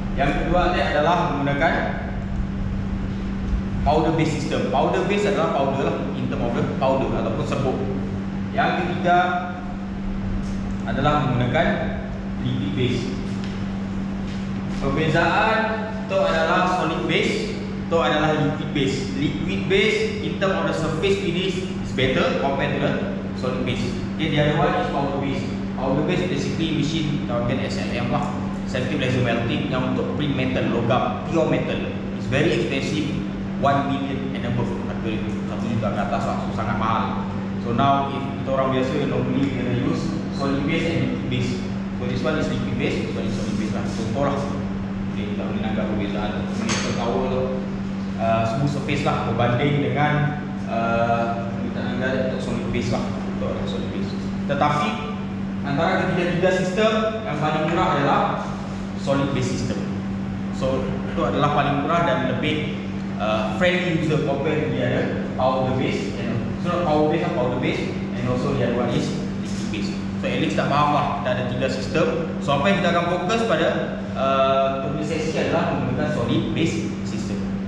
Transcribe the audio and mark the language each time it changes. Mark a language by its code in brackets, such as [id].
[ms] Yang kedua ni adalah menggunakan powder base system. Powder base adalah powder lah, [en] in term of the powder [ms] ataupun serbuk. Yang ketiga adalah menggunakan liquid base. Perbezaan itu adalah solid base itu adalah liquid base. [en] Liquid base in term of the surface finish is better compared to the solid base. Okay, the other one is powder base. Powder base basically machine termakan SLM lah, selective laser melting, [ms] yang untuk print metal logam, [en] pure metal. It's very expensive, 1 million and above, [ms] 1 juta ke atas lah, so sangat mahal. [en] So now if [ms] kita orang biasa [en] normally we gonna use solid base and liquid base. So this one is liquid base, [ms] so this solid base lah, contoh lah. Okay, kita boleh nampak perbezaan metal tower tu, smooth surface lah berbanding dengan kita nampak untuk solid base lah. Tetapi antara ketiga-tiga sistem yang paling murah adalah solid base system. So itu adalah paling murah dan lebih [en] friendly user compared to the other powder base. So powder base and powder base, and also the other one is liquid base. [ms] So at least dah faham lah, dah ada tiga sistem. So apa yang kita akan fokus pada topik sesi adalah menggunakan solid base system.